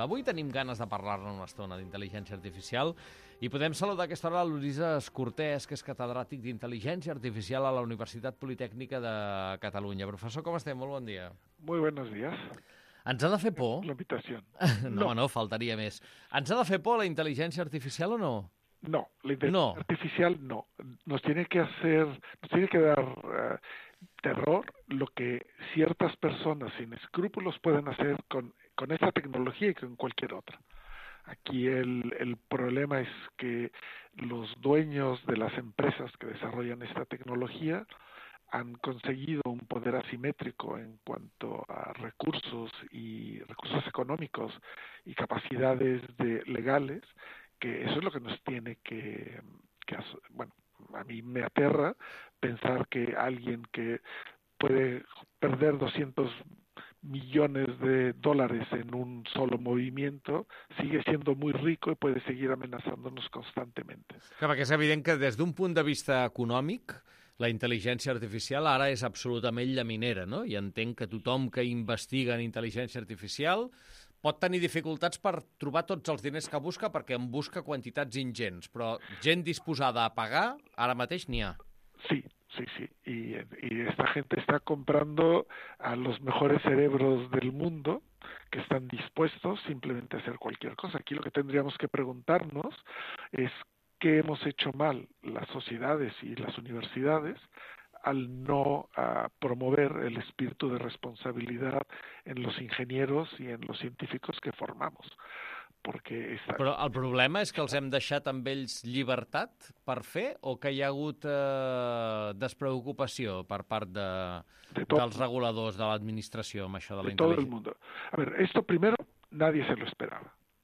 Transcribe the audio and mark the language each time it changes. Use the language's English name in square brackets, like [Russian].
[Catalan] Avui tenim ganes de parlar-ne una estona d'intel·ligència artificial i podem saludar aquesta hora l'Ulisses Cortés, que és catedràtic d'intel·ligència artificial a la Universitat Politècnica de Catalunya. Professor, com estem? Molt bon dia. [Spanish] Muy buenos días. [Catalan] Ens ha de fer por? L'habitació. No, faltaria més. Ens ha de fer por la intel·ligència artificial o no? No, la intel·ligència artificial no. [Spanish] Nos tiene que dar... Terror lo que ciertas personas sin escrúpulos pueden hacer con esta tecnología y con cualquier otra. Aquí el problema es que los dueños de las empresas que desarrollan esta tecnología han conseguido un poder asimétrico en cuanto a recursos económicos y capacidades legales, que eso es lo que nos tiene que bueno, a mí me aterra pensar que alguien que puede perder 200 millones de dólares en un solo movimiento sigue siendo muy rico y puede seguir amenazándonos constantemente. [Catalan] Claro, que es evident que des d'un punt de vista econòmic la intel·ligència artificial ara és absolutament llaminera, no? I entenc que tothom que investiga en intel·ligència artificial pot tenir dificultats per trobar tots els diners que busca, perquè en busca quantitats ingents, però gent disposada a pagar ara mateix n'hi ha. Sí. [Spanish] Y esta gente está comprando a los mejores cerebros del mundo que están dispuestos simplemente a hacer cualquier cosa. Aquí lo que tendríamos que preguntarnos es qué hemos hecho mal las sociedades y las universidades al no promover el espíritu de responsabilidad en los ingenieros y en los científicos que formamos. [Catalan] Però el problema és que els hem deixat amb ells llibertat per fer, o que hi ha hagut despreocupació per part dels reguladors de l'administració amb això de la intel·ligència? [Spanish] De tot el mundo. A ver, esto primero nadie se lo esperaba.